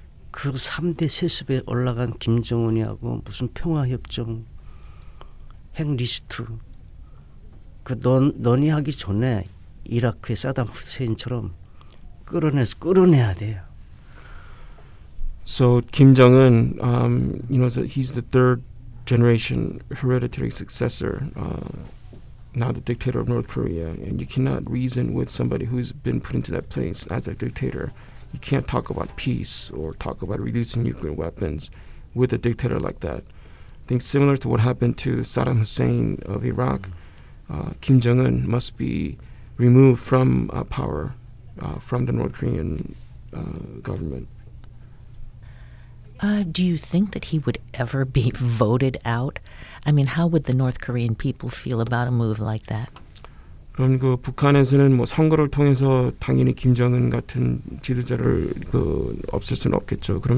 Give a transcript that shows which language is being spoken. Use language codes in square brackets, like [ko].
[ko] 그 3대 세습에 올라간 김정은이하고 무슨 평화협정 행리스트 그 논의하기 전에 이라크의 사담 후세인처럼 끌어내야 돼요. [en] So Kim Jong-un, he's the third generation hereditary successor, now the dictator of North Korea. And you cannot reason with somebody who's been put into that place as a dictator. You can't talk about peace or talk about reducing nuclear weapons with a dictator like that. I think similar to what happened to Saddam Hussein of Iraq, Kim Jong-un must be removed from power from the North Korean government. Do you think that he would ever be voted out? I mean, how would the North Korean people feel about a move like that? [ko] 그럼 그 북한에서는 뭐 선거를 통해서 당연히 김정은 같은 지도자를 그 없앨 수는 없겠죠.